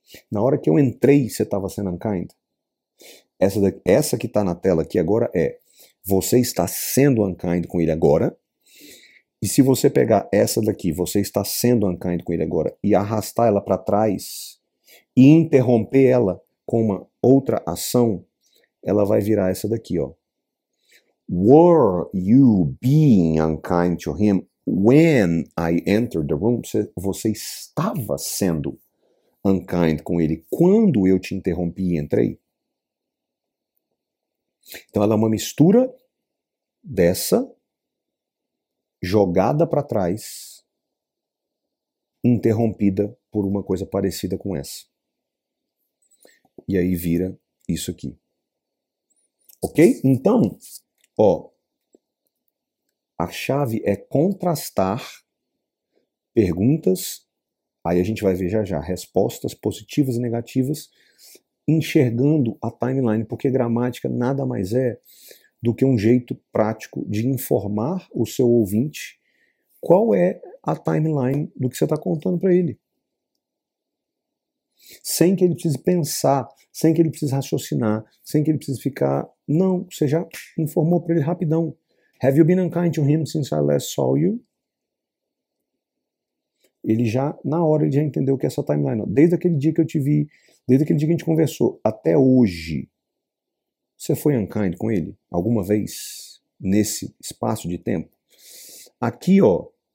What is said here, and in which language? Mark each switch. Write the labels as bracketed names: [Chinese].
[Portuguese] Na hora que eu entrei, você estava sendo unkind? Essa que está na tela aqui agora é: você está sendo unkind com ele agora? E se você pegar essa daqui, você está sendo unkind com ele agora, e arrastar ela para trás e interromper ela com uma outra ação, ela vai virar essa daqui, ó. [English] Were you being unkind to him when I entered the room? [Portuguese] Você estava sendo unkind com ele quando eu te interrompi e entrei? Então ela é uma mistura dessa jogada para trás interrompida por uma coisa parecida com essa. E aí vira isso aqui. Ok? Então, ó, a chave é contrastar perguntas, aí a gente vai ver já já, respostas positivas e negativas, enxergando a timeline, porque gramática nada mais é do que um jeito prático de informar o seu ouvinte qual é a timeline do que você está contando para ele. Sem que ele precise pensar, sem que ele precise raciocinar, sem que ele precise ficar. Não, você já informou para ele rapidão. [English] Have you been unkind to him since I last saw you? [Portuguese] Ele já, na hora, ele já entendeu o que é essa timeline. Desde aquele dia que eu te vi, desde aquele dia que a gente conversou, até hoje, você foi unkind com ele? Alguma vez? Nesse espaço de tempo? Aqui, ó.